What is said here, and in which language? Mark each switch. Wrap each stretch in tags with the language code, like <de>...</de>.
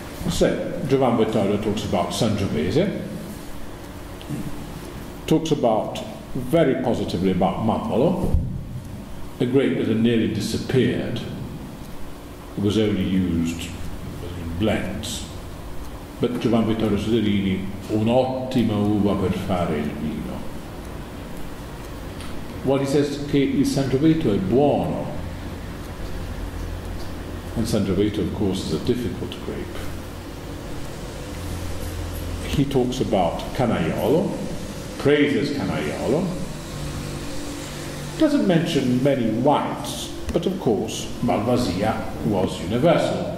<en>So, Giovanni Bertardo talks about Sangiovese, talks about very positively about Mappolo, a grape that had nearly disappeared. It was only used in blends.</en> <it>But Giovanni Vittorio Soderini, un'ottima uva per fare il vino.</it> <en>What he says is that</en> <it>il Sangiovese è buono.</it> <en>And Sangiovese, of course, is a difficult grape. He talks about Canaiolo, praises Canaiolo, doesn't mention many whites, but of course Malvasia was universal.</en>